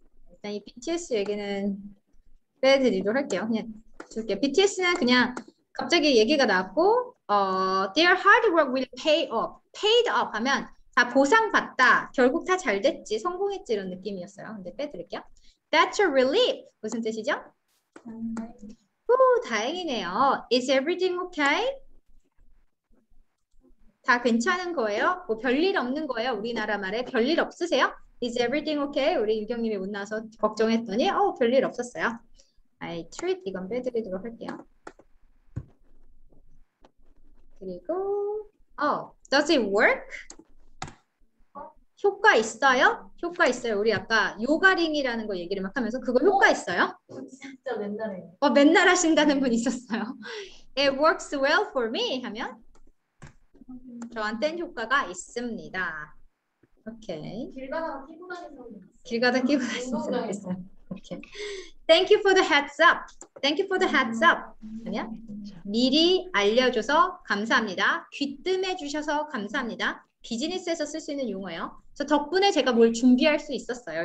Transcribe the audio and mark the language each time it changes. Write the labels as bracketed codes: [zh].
[ko] 일단 이 BTS 얘기는 빼드리도록 할게요. 그냥 줄게요. BTS는 그냥 갑자기 얘기가 나왔고, [en] their hard work will pay off. [ko] paid off 하면 다 보상받다. 결국 다잘 됐지, 성공했지 이런 느낌이었어요. 근데 빼드릴게요. [en] That's a relief. [ko] 무슨 뜻이죠? 다행이네요. [en] Is everything okay? [ko] 다 괜찮은 거예요? 뭐 별일 없는 거예요? 우리나라 말에 별일 없으세요? [en] Is everything okay? [ko] 우리 유경님이 못 나와서 걱정했더니 별일 없었어요. [en] I treat [ko] 이건 빼드리도록 할게요. 그리고 [en] does it work? [ko] 효과 있어요? 효과 있어요. 우리 아까 요가링이라는 거 얘기를 막 하면서 그거 효과 있어요? 진짜 맨날 해. 맨날 하신다는 분 있었어요. [en] It works well for me [ko] 하면 저한텐 효과가 있습니다. 오케이. 길 가다가 피곤하게 생겼어. 길 가다 끼고 운동장에서. 다니면 좋겠어요. 오케이. [en] Thank you for the heads up. Thank you for the heads up. [ko] 아니야? 미리 알려줘서 감사합니다. 귀뜸해 주셔서 감사합니다. 비즈니스에서 쓸수 있는 용어예요. 저 덕분에 제가 뭘 준비할 수 있었어요.